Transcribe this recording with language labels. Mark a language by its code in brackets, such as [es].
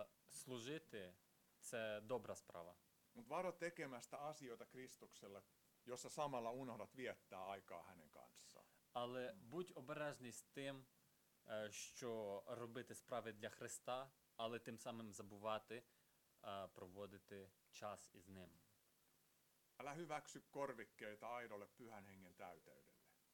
[uk] Служити це добра справа. [fi] Mut varo tekemästä asioita Kristuksella, jossa samalla unohdat viettää aikaa hänen kanssaan. [uk] Але будь обережний з тим, що робити справи для Христа, але тим самим забувати проводити час із ним. [fi] Älä hyväksy korvikkeita aidolle Pyhän Hengen täyteydelle.